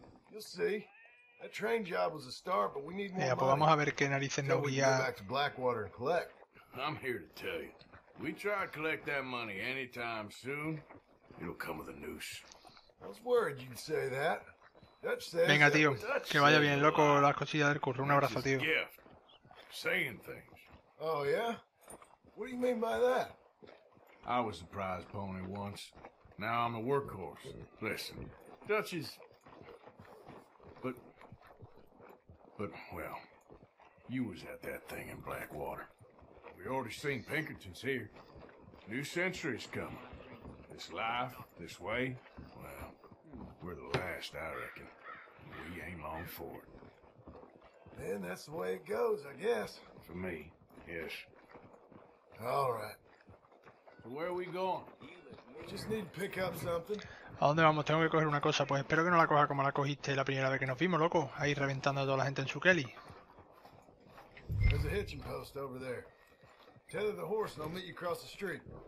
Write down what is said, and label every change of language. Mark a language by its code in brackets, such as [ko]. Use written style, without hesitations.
[en] You'll see. That train job was a start, but we need more money. [es] Vamos a ver qué narices nos guía. [en] Go back to Blackwater and collect. I'm here to tell you. We try to collect that money anytime soon, it'll come with a noose. I was worried you'd say that. [es] Venga, tío, que vaya bien, loco, las cosillas del curro. Un abrazo, tío. [en] Saying things. Oh, yeah? What do you mean by that? I was a prize pony once. Now I'm a workhorse. Listen, Dutch is... But, well, you was at that thing in Blackwater. We already seen Pinkerton's here. New century's coming. This life, this way, well, we're the last, I reckon. we ain't long for it. Then that's the way it goes, I guess. For me, yes. All right. So where are we going? Just need to pick up something. [es] ¿A dónde vamos? Tengo que coger una cosa. Pues espero que no la coja como la cogiste la primera vez que nos vimos, loco. Ahí reventando a toda la gente en su Kelly. [en] There's a hitching post over there. Tether the horse and I'll meet you across the street.